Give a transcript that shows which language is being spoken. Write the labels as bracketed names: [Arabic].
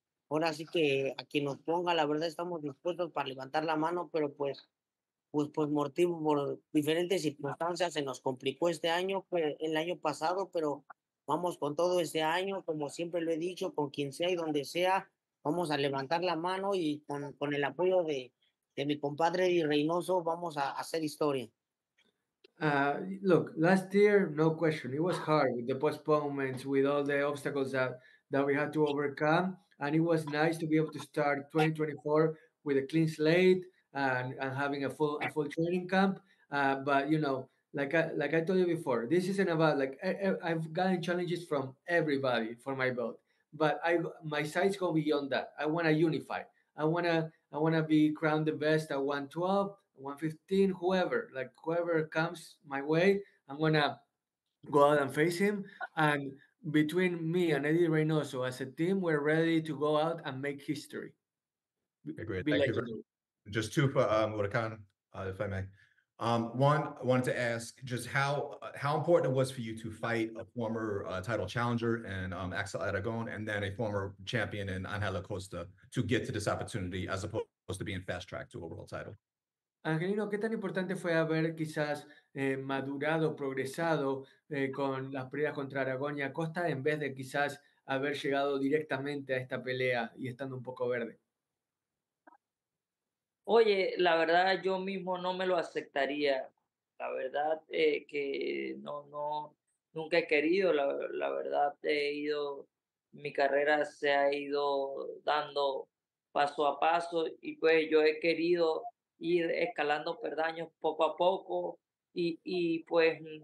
[Spanish] Ahora sí que a quien nos ponga, la verdad estamos dispuestos para levantar la mano, pero pues motivo por diferentes circunstancias se nos complicó este año, el año pasado, pero vamos con todo este año, como siempre lo he dicho, con quien sea y donde sea, vamos a levantar la mano y con el apoyo de mi compadre y Reynoso vamos a hacer historia. [English] Look, last year, no question, it was hard with the postponements, with all the obstacles that we had to overcome, and it was nice to be able to start 2024 with a clean slate, and having a full training camp, but you know, like I told you before, this isn't about I've gotten challenges from everybody for my belt, but my sights go beyond that. I want to unify. I wanna be crowned the best at 112, 115, whoever comes my way, I'm gonna go out and face him. And between me and Eddie Reynoso as a team, we're ready to go out and make history. Agreed. Thank you. Just two for Huracan, if I may. One, I wanted to ask just how important it was for you to fight a former title challenger and Axel Aragon, and then a former champion in Angel Acosta to get to this opportunity, as opposed to being fast tracked to a world title. [Spanish] Angelino, ¿qué tan importante fue haber quizás madurado, progresado con las peleas contra Aragon y Acosta en vez de quizás haber llegado directamente a esta pelea y estando un poco verde? Oye, la verdad yo mismo no me lo aceptaría, la verdad que no, nunca he querido, la verdad he ido, mi carrera se ha ido dando paso a paso y pues yo he querido ir escalando peldaños poco a poco y pues